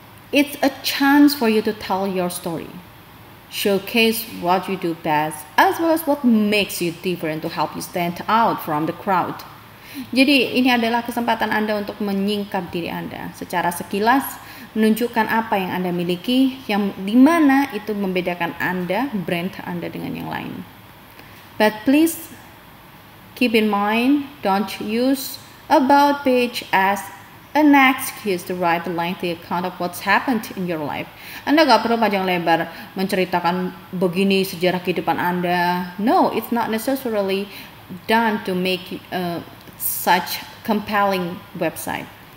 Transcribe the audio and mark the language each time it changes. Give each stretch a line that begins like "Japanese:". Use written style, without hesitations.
English: It's a chance for you to tell your story, showcase what you do best, as well as what makes you different to help you stand out from the crowd.
Indonesian: Jadi ini adalah kesempatan Anda untuk menyingkap diri Anda secara sekilas, menunjukkan apa yang Anda miliki, yang di mana itu membedakan Anda, brand Anda dengan yang lain.
English: But please keep in mind, don't use about page as an excuse to write a lengthy account of what's happened in your life.
Indonesian: Anda gak perlu panjang lebar menceritakan begini sejarah kehidupan Anda.
English: No, it's not necessarily done to make such compelling website.